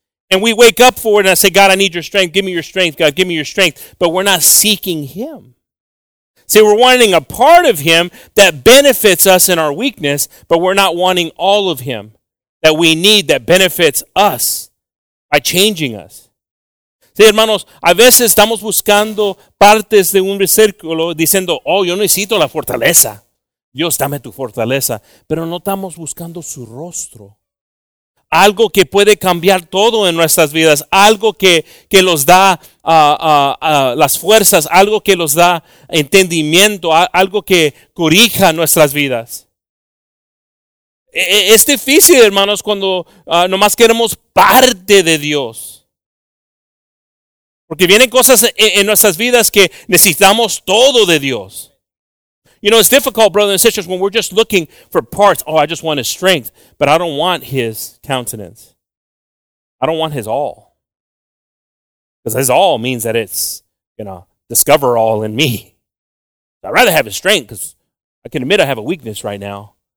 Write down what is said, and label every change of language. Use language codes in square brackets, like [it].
[en] And we wake up for it and I say, God, I need your strength. Give me your strength, God. Give me your strength. But we're not seeking Him. See, we're wanting a part of Him that benefits us in our weakness, but we're not wanting all of Him that we need that benefits us by changing us. [es] See, hermanos, a veces estamos buscando partes de un círculo diciendo, oh, yo necesito la fortaleza. Dios, dame tu fortaleza. Pero no estamos buscando su rostro. Algo que puede cambiar todo en nuestras vidas. Algo que los da las fuerzas. Algo que los da entendimiento. Algo que corrija nuestras vidas. Es difícil, hermanos, cuando nomás queremos parte de Dios. Porque vienen cosas en nuestras vidas que necesitamos todo de Dios. [en] You know, it's difficult, brothers and sisters, when we're just looking for parts. Oh, I just want His strength, but I don't want His countenance. I don't want His all. Because His all means that it's, you know, discover all in me. I'd rather have His strength because I can admit I have a weakness right now.